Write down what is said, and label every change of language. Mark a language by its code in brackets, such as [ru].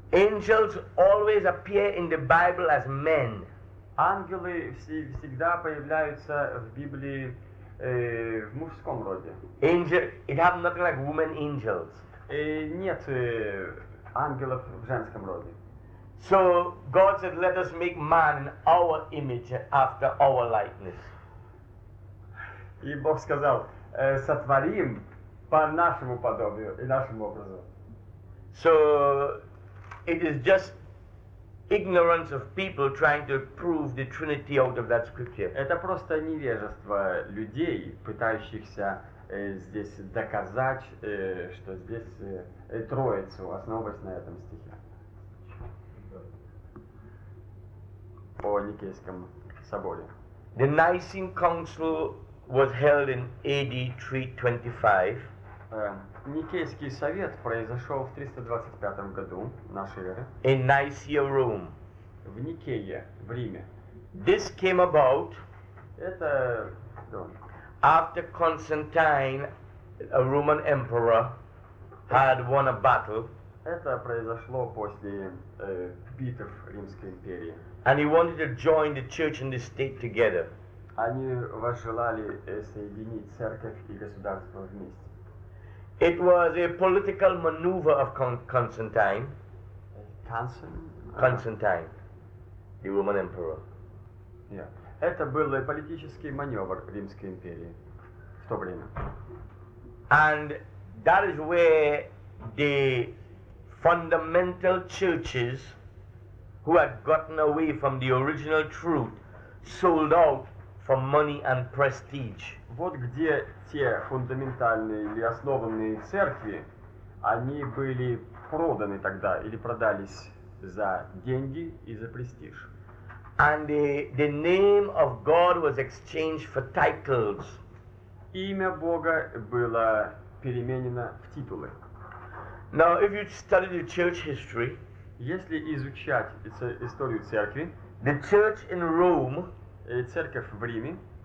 [en] Angels always appear in the Bible as men. [ru] Ангелы всегда появляются в Библии в мужском роде. [en] Angel, it have nothing like woman angels. [ru] Нет ангелов в женском роде. [en] So God said, "Let us make man in our image, after our likeness." [ru] И Бог сказал, сотворим по нашему подобию и нашему образу. [en] So it is just ignorance of people trying to prove the Trinity out of that scripture. [ru] Это просто невежество людей, пытающихся здесь доказать, что здесь Троицу основываясь на этом стихе. По Никейском соборе. [en] The Nicene Council was held in AD 325. [ru] Никейский совет произошел в 325 году нашей эры. [en] In Nicaea, Rome. [ru] В Никее, в Риме. [en] This came about. [ru] Это. [en] After Constantine, a Roman emperor, had won a battle. [ru] Это произошло после битв Римской империи. [en] And he wanted to join the church and the state together. [ru] Они возжелали соединить церковь и государство вместе. [en] It was a political maneuver of Constantine. Constantine, the Roman emperor. Yeah. [ru] Это был политический маневр Римской империи в то время. [en] And that is where the fundamental churches who had gotten away from the original truth sold out for money and prestige. [ru] Вот где те фундаментальные или основанные церкви, они были проданы тогда или продались за деньги и за престиж. [en] And the name of God was exchanged for titles. [ru] Имя Бога было переменено в титулы. [en] Now, if you study the church history, [ru] если изучать историю церкви, [en] the church in Rome, [ru] церковь в Риме,